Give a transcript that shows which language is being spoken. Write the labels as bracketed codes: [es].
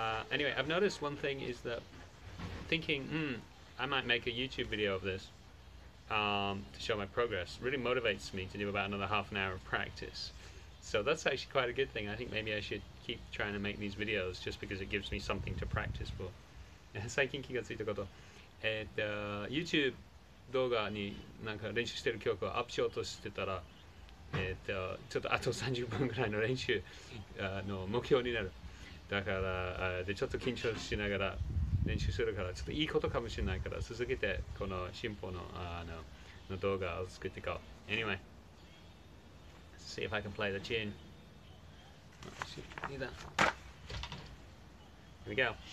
[en] Anyway, I've noticed one thing is that thinking, I might make a YouTube video of this to show my progress really motivates me to do about another half an hour of practice. So that's actually quite a good thing. I think maybe I should keep trying to make these videos just because it gives me something to practice for. [ja] 最近気がついたこと、YouTube 動画になんか練習してる曲をアップしようとしてたら、ちょっとあと30分ぐらいの練習の目標になる。だから、でちょっと緊張しながら練習するからちょっといいことかもしれないから続けてこの進歩 の動画を作っていこう。 [en] Anyway, see if I can play the tune. Here we go.